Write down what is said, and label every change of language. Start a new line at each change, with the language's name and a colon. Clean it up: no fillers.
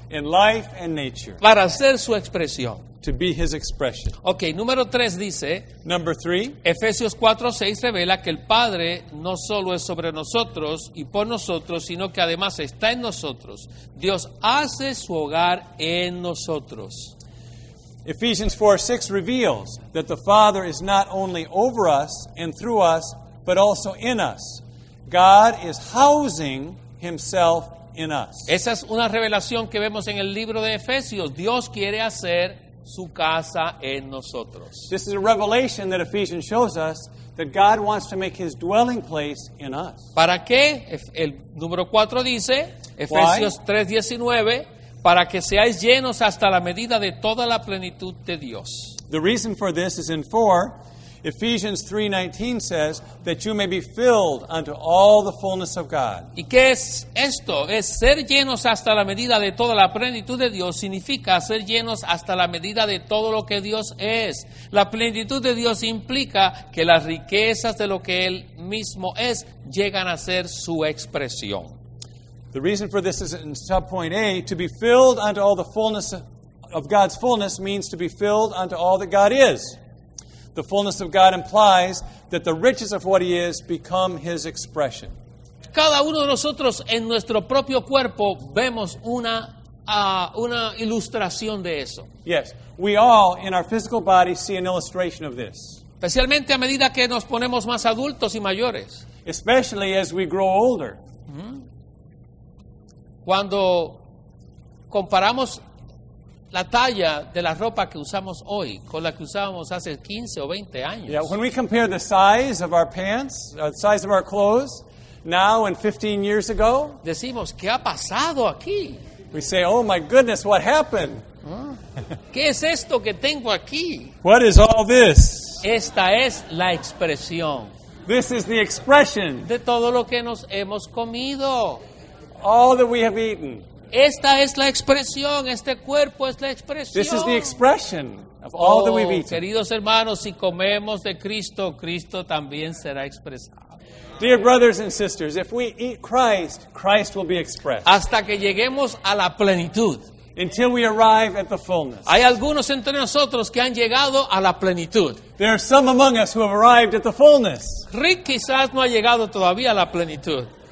English: In life and nature.
Spanish: Para ser su expresión.
English: To be His expression.
Spanish: Okay, número 3 dice.
English: Number 3.
Spanish: Efesios 4:6 revela que el Padre no solo es sobre nosotros y por nosotros, sino que además está en nosotros. Dios hace su hogar en nosotros.
English: Ephesians 4:6 reveals that the Father is not only over us and through us, but also in us. God is housing Himself in us.
Spanish: Esa es una revelación que vemos en el libro de Efesios. Dios quiere hacer su casa en nosotros.
English: This is a revelation that Ephesians shows us that God wants to make His dwelling place in us.
Spanish: ¿Para qué? El número 4 dice, Efesios 3:19, para que seáis llenos hasta la medida de toda la plenitud de Dios.
English: The reason for this is in 4, Ephesians 3:19 says, that you may be filled unto all the fullness of God.
Spanish: ¿Y qué es esto? Es ser llenos hasta la medida de toda la plenitud de Dios. Significa ser llenos hasta la medida de todo lo que Dios es. La plenitud de Dios implica que las riquezas de lo que Él mismo es llegan a ser su expresión.
English: The reason for this is in subpoint A, to be filled unto all the fullness of God's fullness means to be filled unto all that God is. The fullness of God implies that the riches of what He is become His expression.
Spanish: Cada uno de nosotros en nuestro propio cuerpo vemos una ilustración de eso.
English: Yes, we all in our physical body see an illustration of this.
Spanish: Especialmente a medida que nos ponemos más adultos y mayores.
English: Especially as we grow older.
Spanish: Cuando comparamos la talla de la ropa que usamos hoy con la que usábamos hace 15 o 20 años.
English: Yeah, when we compare the size of our pants, the size of our clothes, now and 15 years ago.
Spanish: Decimos, ¿qué ha pasado aquí?
English: We say, oh my goodness, what happened?
Spanish: ¿Qué es esto que tengo aquí?
English: What is all this?
Spanish: Esta es la expresión.
English: This is the expression.
Spanish: De todo lo que nos hemos comido.
English: All that we have eaten.
Spanish: Esta es la expresión. Este cuerpo es la expresión.
English: This is the expression of all that we've eaten.
Spanish: Queridos hermanos, si comemos de Cristo, Cristo también será expresado.
English: Dear brothers and sisters, if we eat Christ, Christ will be expressed.
Spanish: Hasta que lleguemos a la plenitud.
English: Until we arrive at the fullness.
Spanish: Hay algunos entre nosotros que han llegado a la plenitud.
English: There are some among us who have arrived at the fullness.
Spanish: Rick quizás no ha llegado todavía a la plenitud.